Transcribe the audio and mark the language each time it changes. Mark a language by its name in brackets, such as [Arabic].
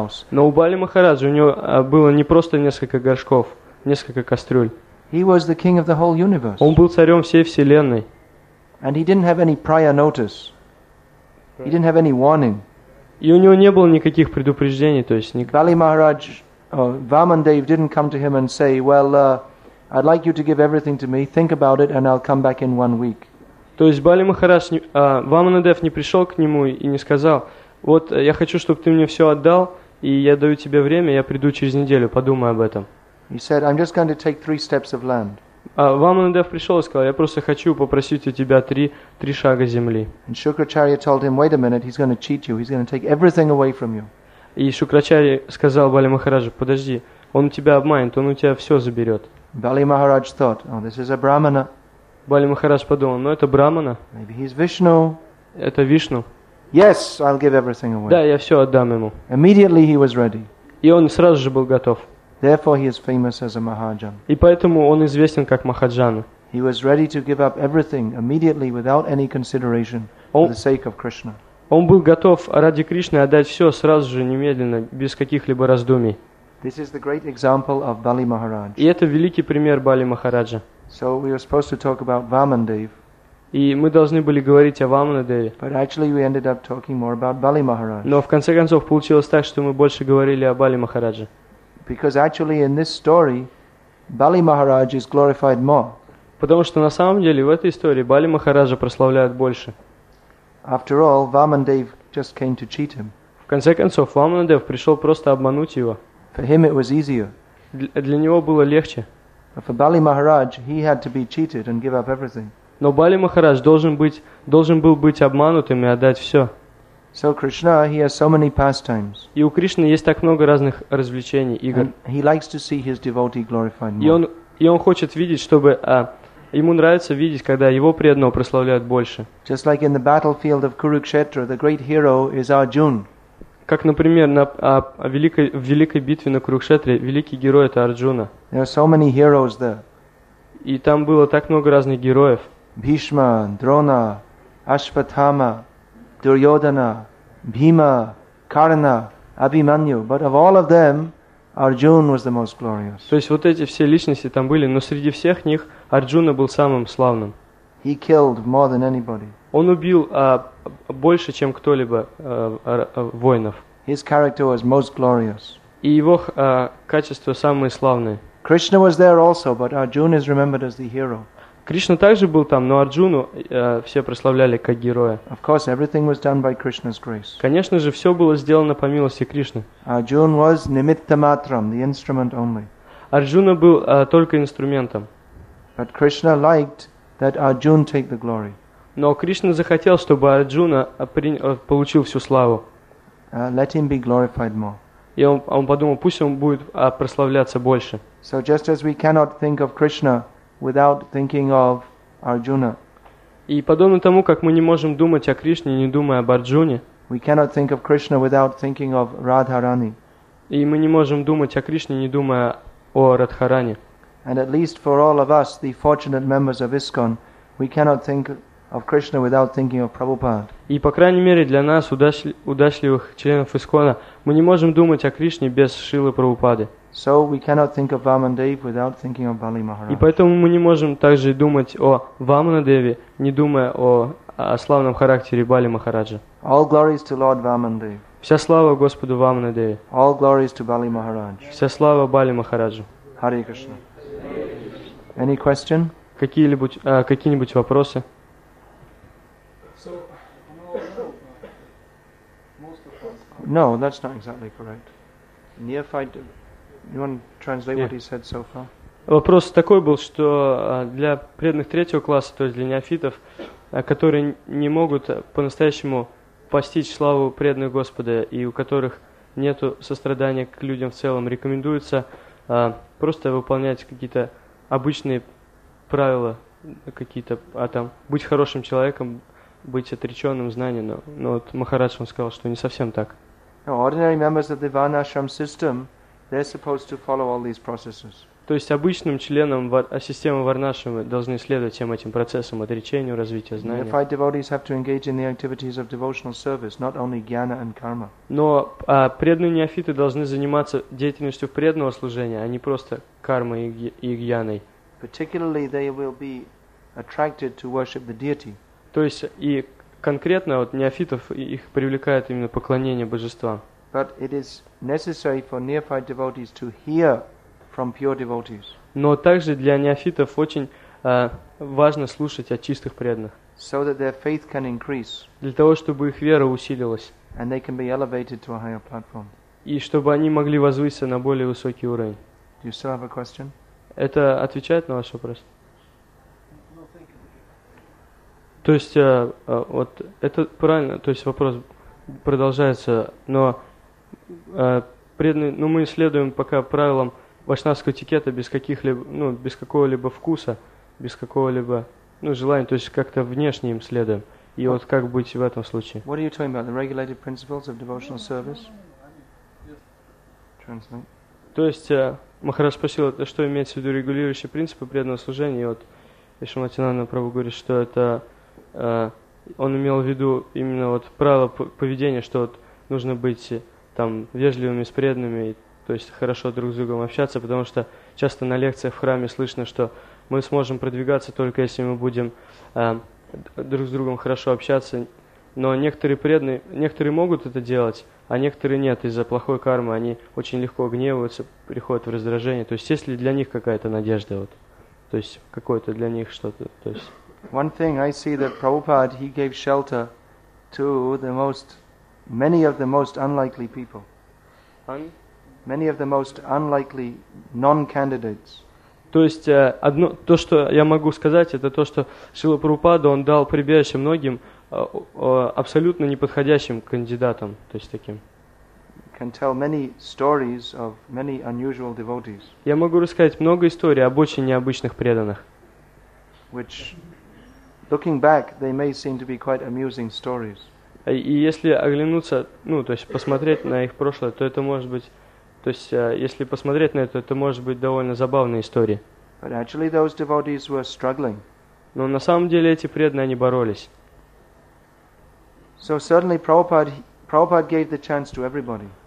[Russian] Но у Бали Махараджа, у него было не просто несколько горшков, несколько кастрюль. Он был царем всей Вселенной. И не имел никаких предупреждений. Не имел никаких знаков. И у него не было никаких предупреждений, то есть никаких. [English] Bali Maharaj, Vamandev didn't come to him and say, well, I'd like you to give everything to me, think about it, and I'll come back in one week. [Russian] То есть Bali Maharaj, Vamandev не пришел к нему и не сказал, вот я хочу, чтобы ты мне все отдал, и я даю тебе время, я приду через неделю, подумай об этом. [English] He said, I'm just going to take 3 steps of land. [Russian] Vamanadev пришел и сказал, я просто хочу попросить у тебя три шага земли. [English] And Shukracharya told him, wait a minute, he's going to cheat you, he's going to take everything away from you. [Russian] И Шукрачарья сказал Бали Махараджу, подожди, он у тебя обманет, он у тебя все заберет. [English] Bali Maharaj thought, oh, this is a Brahmana. [Russian] Bali Maharaj подумал, ну это Брахмана. [English] Maybe he's Vishnu. [Russian] Это Вишну. [English] Yes, I'll give everything away. [Russian] Да, я все отдам ему. [English] Immediately he was ready. [Russian] И он сразу же был готов. [English] Therefore, he is famous as a Mahajan. [Russian] И поэтому он известен как Махаджан. [English] He was ready to give up everything immediately, without any consideration, for the sake of Krishna. [Russian] Он был готов ради Кришны отдать все сразу же, немедленно, без каких-либо раздумий. [English] This is the great example of Bali Maharaj. [Russian] И это великий пример Бали Махараджа. [English] So we were supposed to talk about Vamandev. [Russian] И мы должны были говорить о Вамандеве. [English] But actually, we ended up talking more about Bali Maharaj. [Russian] Но в конце концов получилось так, что мы больше говорили о Бали Махарадже. [English] Because actually in this story, Bali Maharaj is glorified more. [Russian] Потому что на самом деле в этой истории Бали Махараджа прославляют больше. [English] After all, Vamandev just came to cheat him. [Russian] В конце концов, Vamandev пришел просто обмануть его. [English] For him it was easier. [Russian] Для него было легче. [English] But for Bali Maharaj, he had to be cheated and give up everything. [Russian] Но Бали Махарадж должен был быть обманутым и отдать все. [English] So Krishna, he has so many pastimes. [Russian] И у Кришны есть так много разных развлечений, игр. [English] And he likes to see his devotee glorified more. [Russian] И он хочет видеть, чтобы ему нравится видеть, когда его преданного прославляют больше. [English] Just like in the battlefield of Kurukshetra, the great hero is Arjuna. [Russian] Как, например, в великой битве на Курукшетре великий герой это Арджуна. [English] There are so many heroes there. [Russian] И там было так много разных героев. Бхишма, Дрона, Ашватхама. Дурьодхана, Бхима, Карна, Абхиманью. [English] But of all of them, Arjuna was the most glorious. [Russian] То есть вот эти все личности там были, но среди всех них Арджуна был самым славным. [English] He killed more than anybody. [Russian] Он убил больше, чем кто-либо воинов. [English] His character was most glorious. [Russian] И его качества самые славные. [English] Krishna was there also, but Arjuna is remembered as the hero. [Russian] Кришна также был там, но Арджуну все прославляли как героя. [English] Of course, everything was done by Krishna's grace. [Russian] Конечно же, все было сделано по милости Кришны. [English] Arjuna was nimitta matram, the instrument only. [Russian] Арджуна был только инструментом. [English] But Krishna liked that Arjuna take the glory. [Russian] Но Кришна захотел, чтобы Арджуна получил всю славу. [English] Let him be glorified more. [Russian] И он подумал, пусть он будет прославляться больше. [English] So just as we cannot think of Krishna without thinking of Arjuna. [Russian] И подобно тому, как мы не можем думать о Кришне, не думая об Арджуне. [English] We cannot think of Krishna without thinking of Radharani. [Russian] И мы не можем думать о Кришне, не думая о Радхаране. [English] And at least for all of us, the fortunate members of ISKCON, we cannot think of Krishna without thinking of Prabhupada. [Russian] И по крайней мере для нас, удачливых членов ИСККОНа, мы не можем думать о Кришне без Шрилы Прабхупады. [English] So we cannot think of Vamandev without thinking of Bali Maharaj. [Russian] И поэтому мы не можем также думать о Vamanadevi, не думая о славном характере Бали Махараджа. [English] All glories to Lord Vamandev. [Russian] Вся слава Господу Vamanadevi. [English] All glories to Bali Maharaj. [Russian] Вся слава Бали Махараджу. [English] Hare Krishna. Any question? [Russian] Какие-нибудь вопросы? [English] No, that's not exactly correct. Neophyte, you want to translate what he said so far? [Russian] Вопрос такой был, что для преданных третьего класса, то есть для неофитов, которые не могут по-настоящему постичь славу преданных Господа и у которых нету сострадания к людям в целом, рекомендуется просто выполнять какие-то обычные правила, какие-то, быть хорошим человеком, быть отреченным знанием, но вот Махарадж он сказал, что не совсем так. [English] Ordinary members of the Varnashram system, they're supposed to follow all these processes. [Russian] То есть обычным членам системы Варнашрама должны следовать всем этим процессам отречению, развития знания. [English] Neophyte devotees have to engage in the activities of devotional service, not only jnana and karma. [Russian] Но преданные неофиты должны заниматься деятельностью преданного служения, а не просто кармой и гьяной. [English] Particularly, they will be attracted to worship the deity. [Russian] То есть и конкретно вот неофитов их привлекает именно поклонение божествам. [English] But it is necessary for neophyte devotees to hear from pure devotees. [Russian] Но также для неофитов очень важно слушать от чистых преданных. [English] So that their faith can increase. [Russian] Для того, чтобы их вера усилилась. [English] And they can be elevated to a higher platform. [Russian] И чтобы они могли возвыситься на более высокий уровень. [English] Do you still have a question? [Russian] Это отвечает на ваш вопрос? То есть, вот это правильно, то есть вопрос продолжается, но преданные, мы следуем пока правилам вайшнавского этикета без каких-либо, без какого-либо вкуса, без какого-либо, желания, то есть как-то внешне им следуем. И вот как быть в этом случае? [English] What are you talking about, the regulated principles of devotional service? Translate. [Russian] То есть, Махарадж спросил, что имеется в виду регулирующие принципы преданного служения, и вот Ишиматинанда Прабху говорит, что это... Он имел в виду именно вот правила поведения, что вот нужно быть там вежливыми с преданными, то есть хорошо друг с другом общаться, потому что часто на лекциях в храме слышно, что мы сможем продвигаться только если мы будем друг с другом хорошо общаться. Но некоторые преданные, некоторые могут это делать, а некоторые нет из-за плохой кармы, они очень легко гневаются, приходят в раздражение. То есть ли для них какая-то надежда? Вот? То есть какое-то для них что-то? То есть... [English] One thing I see that Prabhupada he gave shelter to many of the most unlikely non-candidates. [Russian] То есть одно то, что я могу сказать, это то, что Шрила Прабхупада он дал прибежище многим абсолютно неподходящим кандидатам, то есть таким. [English] Can tell many stories of many unusual devotees. [Russian] Я могу рассказать много историй об очень необычных преданных. [English] Which looking back, they may seem to be quite amusing stories. [Russian] И если оглянуться, то есть посмотреть на их прошлое, то это может быть, то есть если посмотреть на это может быть довольно забавная история. [English] But actually, those devotees were struggling. [Russian] Но на самом деле эти преданные они боролись. [English] So certainly, Prabhupada gave the chance to everybody.